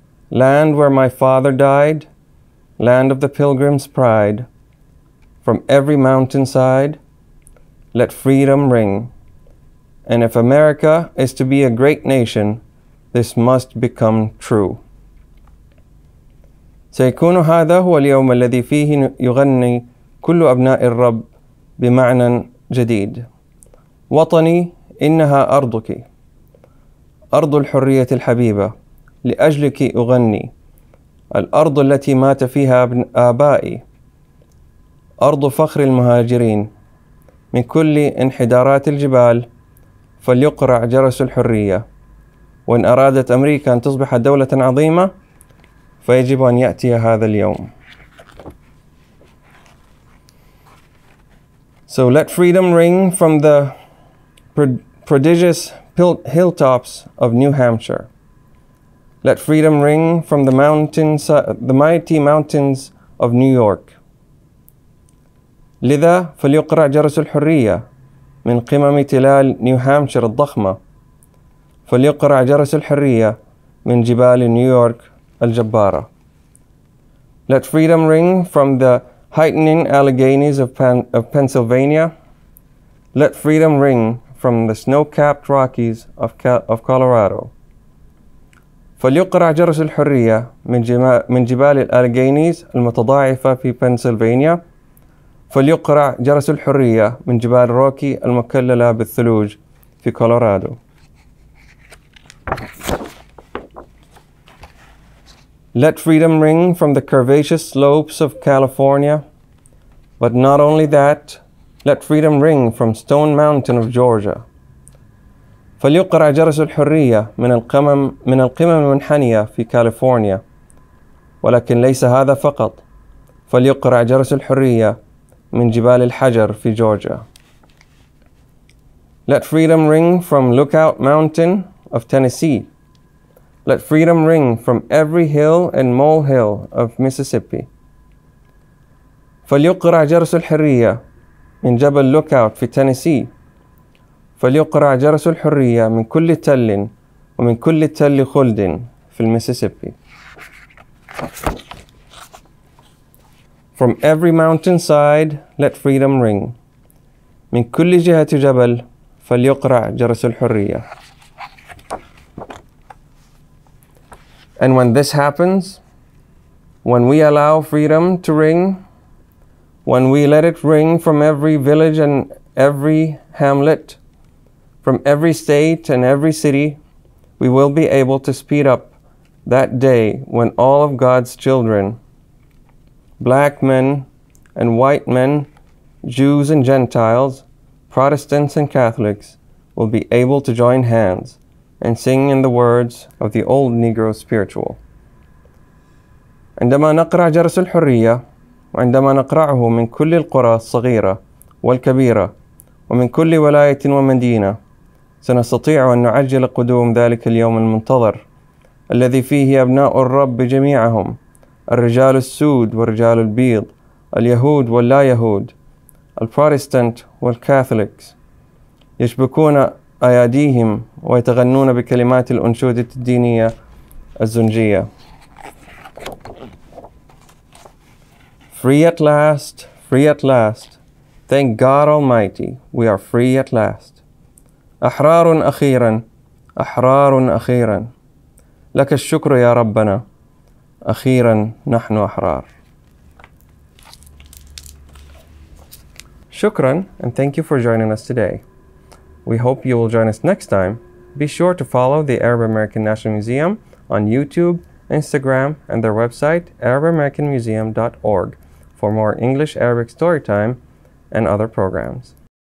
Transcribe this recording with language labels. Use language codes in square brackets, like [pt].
[en] Land where my father died, land of the pilgrim's pride, from every mountainside, let freedom ring. And if America is to be a great nation, this must become true. [ar] سيكون هذا هو اليوم الذي فيه يغني كل أبناء الرب بمعنى جديد. وطني إنها أرضك. أرض الحرية الحبيبة. لأجلك أغني. الأرض التي مات فيها آبائي. أرض فخر المهاجرين. من كل انحدارات الجبال فليقرع جرس الحرية. وإن أرادت أمريكا أن تصبح دولة عظيمة فيجب أن يأتي هذا اليوم. [en] So let freedom ring from the prodigious hilltops of New Hampshire. Let freedom ring from the mighty mountains of New York. [ar] لذا فليقرع جرس الحرية من قمم تلال نيو هامشير الضخمة. فليقرع جرس الحرية من جبال نيويورك الجبارة. [en] Let freedom ring from the heightening Alleghenies of Pennsylvania. Let freedom ring from the snow-capped Rockies of Colorado. [ar] فليقرع جرس الحرية من جبال الألغينيز المتضاعفة في بنسلفانيا. فليقرع جرس الحرية من جبال روكي المكللة بالثلوج في كولورادو. [en] Let freedom ring from the curvaceous slopes of California. But not only that, let freedom ring from Stone Mountain of Georgia. [ar] فليقرع جرس الحرية من القمم المنحنية في كاليفورنيا. ولكن ليس هذا فقط. فليقرع جرس الحرية من جبال الحجر في جورجيا. [en] Let freedom ring from Lookout Mountain of Tennessee. Let freedom ring from every hill and molehill of Mississippi. [ar] فليقرع جرس الحرية من جبل Lookout في تينيسي. فليقرع جرس الحرية من كل تل ومن كل تل خلد في المسيسيبي. [en] From every mountainside, let freedom ring. [ar] من كل جهة جبل فليقرع جرس الحرية. [en] And when this happens, when we allow freedom to ring, when we let it ring from every village and every hamlet, from every state and every city, we will be able to speed up that day when all of God's children, black men and white men, Jews and Gentiles, Protestants and Catholics, will be able to join hands and sing in the words of the old Negro spiritual. [ar] عندما نقرع جرس الحرية وعندما نقرعه من كل القرى الصغيرة والكبيرة ومن كل ولاية ومدينة سنستطيع أن نعجل قدوم ذلك اليوم المنتظر الذي فيه أبناء الرب جميعهم الرجال السود والرجال البيض اليهود واللا يهود البروتستانت والكاثوليكس يشبكون أياديهم ويتغنون بكلمات الأنشودة الدينية الزنجية. [en] Free at last, free at last. Thank God Almighty, we are free at last. [ar] أحرار أخيرا, أحرار أخيرا. لك الشكر يا ربنا, أخيرا نحن أحرار. [en] Shukran, and thank you for joining us today. We hope you will join us next time. Be sure to follow the Arab American National Museum on YouTube, Instagram, and their website, arabamericanmuseum.org, for more English-Arabic story time and other programs.